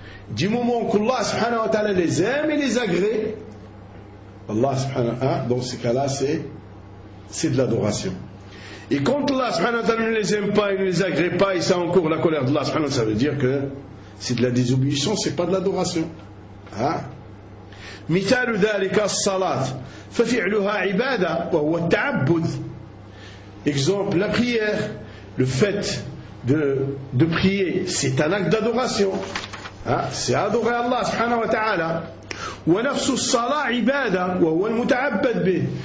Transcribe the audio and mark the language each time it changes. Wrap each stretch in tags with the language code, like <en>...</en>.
<fr>Du moment que Allah subhanahu wa ta'ala les aime et les agrée, Allah subhanahu wa ta'ala, dans ce cas-là, c'est de l'adoration. Et quand Allah subhanahu wa ta'ala ne les aime pas, il ne les agrée pas, et ça encourt la colère d'Allah subhanahu wa ta'ala, ça veut dire que c'est de la désobéissance, c'est pas de l'adoration.</fr> <ar>مثال ذلك الصلاة ففعلها عبادة وهو التعبد.</ar> <fr>Exemple, la prière, le fait de prier, c'est un acte d'adoration. C'est adorer Allah subhanahu wa ta'ala.</fr> <ar>ونفس الصلاة عبادة وهو المتعبد به.</ar>